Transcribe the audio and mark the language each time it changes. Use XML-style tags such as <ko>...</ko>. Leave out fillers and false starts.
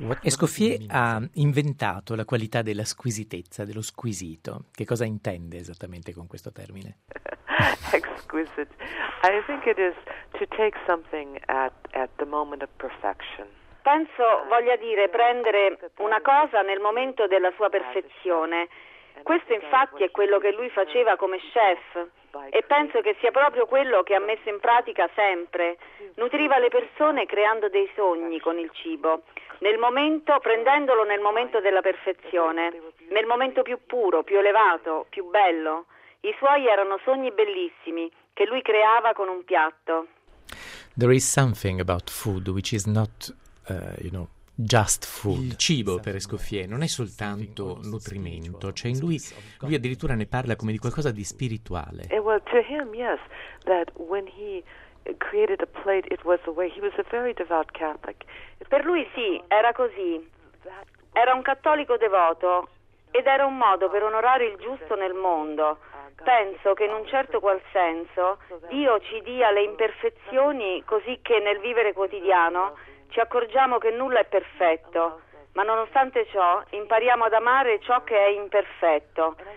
<it>Escoffier ha inventato la qualità della squisitezza, dello squisito. Che cosa intende esattamente con questo termine?</it> <en>Exquisite. I think it is to take something at the moment of perfection.</en> <it>Penso voglia dire prendere una cosa nel momento della sua perfezione. Questo infatti è quello che lui faceva come chef e penso che sia proprio quello che ha messo in pratica sempre. Nutriva le persone creando dei sogni con il cibo, nel momento, prendendolo nel momento della perfezione, nel momento più puro, più elevato, più bello. I suoi erano sogni bellissimi che lui creava con un piatto.</it> <en>There is something about food which is not just food.</en> <it>Il cibo per Escoffier non è soltanto nutrimento, c'è cioè in lui, lui addirittura ne parla come di qualcosa di spirituale.</it> <en>Well, to him, yes, that when he created a plate, it was the way. He was a very devout Catholic.</en> <it>Per lui sì, era così. Era un cattolico devoto ed era un modo per onorare il giusto nel mondo. Penso che in un certo qual senso Dio ci dia le imperfezioni così che nel vivere quotidiano ci accorgiamo che nulla è perfetto, ma nonostante ciò impariamo ad amare ciò che è imperfetto.</it>